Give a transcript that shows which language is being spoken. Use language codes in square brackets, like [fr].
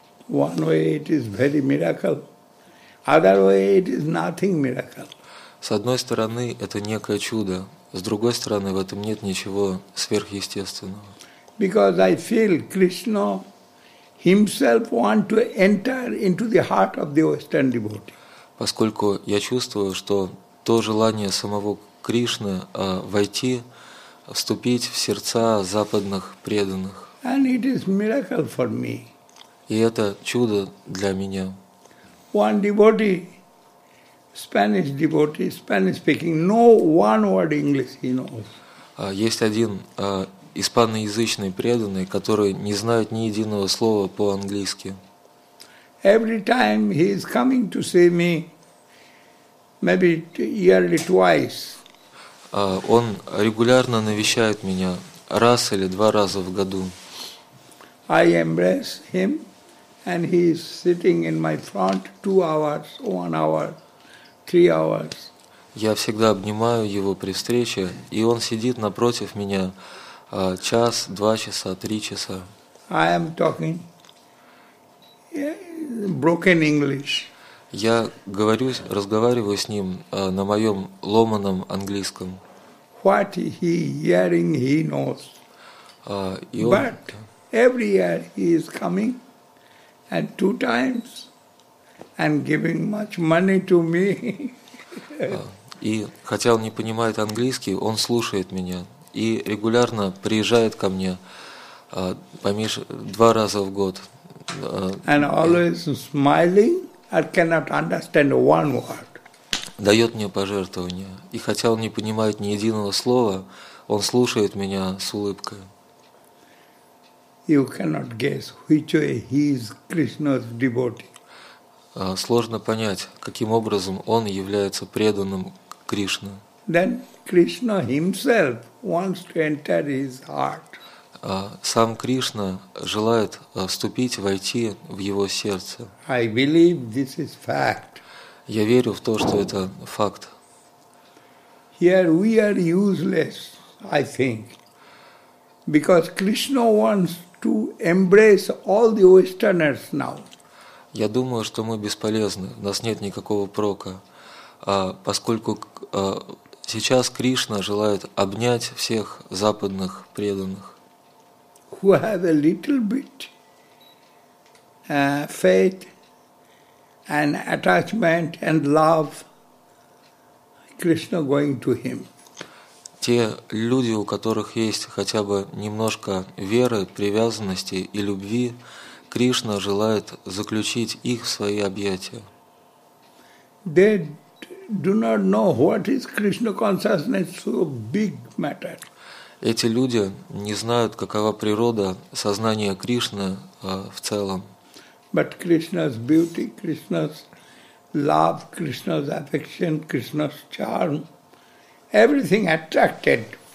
[en] One way it is very miracle. Other way it is nothing miracle. [ru] С одной стороны, это некое чудо. С другой стороны, в этом нет ничего сверхъестественного. [en] Because I feel Krishna himself wants to enter into the heart of the Western devotee. [ru] Поскольку я чувствую, что то желание самого Кришны войти, вступить в сердца западных преданных. [en] And it is miracle for me. [ru] И это чудо для меня. [en] One devotee, Spanish devotee, Spanish speaking, no one word English he knows. [ru] Есть один испаноязычный преданный, который не знает ни единого слова по-английски. [en] Every time he is coming to see me, maybe yearly twice. [ru] Он регулярно навещает меня раз или два раза в году. [en] I embrace him, and he is sitting in my front 2 hours, 1 hour, 3 hours. [ru] Я всегда обнимаю его при встрече, и он сидит напротив меня час, 2 часа, 3 часа. [en] I am talking. Broken English. [ru] Я говорю, разговариваю с ним на моем ломаном английском. [en] What he hearing he knows. But every year he is coming and 2 times and giving much money to me. [ru] И хотя он не понимает английский, он слушает меня и регулярно приезжает ко мне 2 раза в год. [en] And always smiling, I cannot understand one word. [ru] Дает мне пожертвования, и хотя он не понимает ни единого слова, он слушает меня с улыбкой. [en] You cannot guess which way he is Krishna's devotee. [ru] Сложно понять, каким образом он является преданным Кришне. [en] Then Krishna himself wants to enter his heart. [ru] Сам Кришна желает вступить, войти в его сердце. [en] I believe this is fact. [ru] Я верю в то, что это факт. [en] Here we are useless, I think, because Krishna wants to embrace all the Westerners now. [ru] Я думаю, что мы бесполезны, у нас нет никакого прока, поскольку сейчас Кришна желает обнять всех западных преданных. [en] Who have a little bit faith and attachment and love, Krishna going to him. [ru] Те люди, у которых есть хотя бы немножко веры, привязанности и любви, Кришна желает заключить их в свои объятия. [en] They do not know what is Krishna consciousness, so big matter. [ru] Эти люди не знают, какова природа сознания Кришны в целом. [en] But Krishna's beauty, Krishna's love, Krishna's affection, Krishna's charm, everything attracted